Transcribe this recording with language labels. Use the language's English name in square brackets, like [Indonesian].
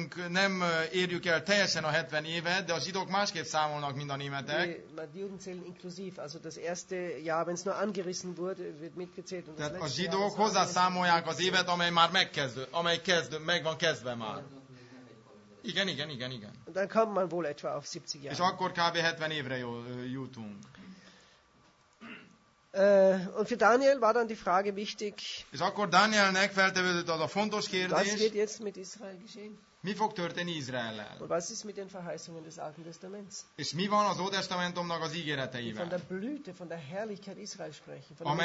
[Hungarian] Nem érjük el teljesen a 70 évet, de a zsidók másképp számolnak, mint a németek. [German] Die Juden zählen inklusiv, also das erste Jahr, wenn es nur angerissen wurde, wird mitgezählt. [Hungarian] Tehát a zsidók hozzászámolják az évet, amely már megkezdődött, amely megvan kezdve már. Igen. [German] Und dann kommt man wohl etwa auf 70 Jahre. [Hungarian] És akkor kb. 70 évre jutunk. [German] Und für Daniel war dann die Frage wichtig. [Hungarian] És akkor Danielnek feltevődött az a fontos kérdés. [German] Was wird jetzt mit Israel geschehen? [Hungarian] Mi fog történni Izraellel? [German] Und was ist mit den Verheißungen des Alten Testaments? [Hungarian] És mi van az Ódestamentumnak az ígéreteivel? [German] Von der Blüte, von der Herrlichkeit Israel sprechen.